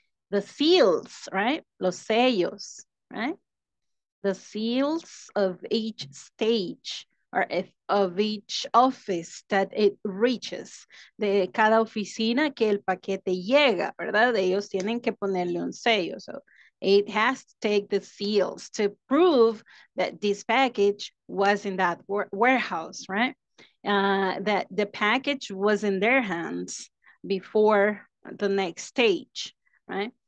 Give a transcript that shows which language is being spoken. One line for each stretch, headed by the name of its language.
English: The seals, right?
Spanish: Los sellos,
English: right? The seals of each stage or of each office that it reaches.
Spanish: De cada oficina que el paquete llega, ¿verdad? Ellos tienen que ponerle un sello.
English: So it has to take the seals to prove that this package was in that warehouse, right? That the package was in their hands before the next stage, right?